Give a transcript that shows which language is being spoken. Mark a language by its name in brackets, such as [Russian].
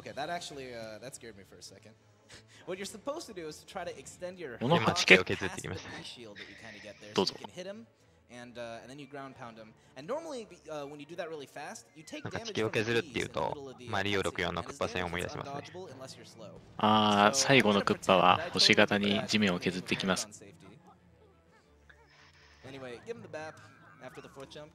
[English] Okay, that actually, that scared me for a second. What you're supposed to do is to try to extend your shield that you kind of get there so you can hit him. And then you ground pound him. And normally, when you do that really fast, you take damage from the bees in the middle of the [Japanese] マリオ64のクッパ戦を思い出しますね。あー、最後のクッパは星型に地面を削ってきます。 [English] Anyway, give him the bap after the fourth jump.